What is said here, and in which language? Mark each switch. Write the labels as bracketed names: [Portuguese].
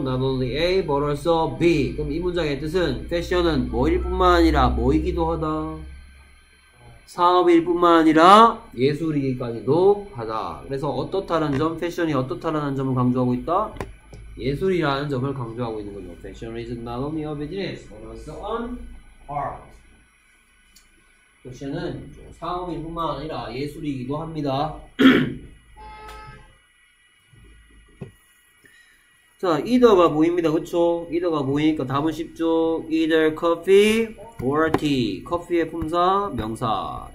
[English] not only A but also B. [Korean] 그럼 이 문장의 뜻은 패션은 뭐일 뿐만 아니라 뭐이기도 하다. 사업일 뿐만 아니라 예술이기까지도 하다. 그래서 어떻다는 점, 패션이 어떻다는 점을 강조하고 있다. 예술이라는 점을 강조하고 있는 거죠. [English] Fashion is not only a business but also an art. [Korean] 패션은 사업일 뿐만 아니라 예술이기도 합니다. 자, either가 보입니다. 그쵸? either가 보이니까 답은 쉽죠? [English] either coffee or tea. [Korean] 커피의 품사, 명사.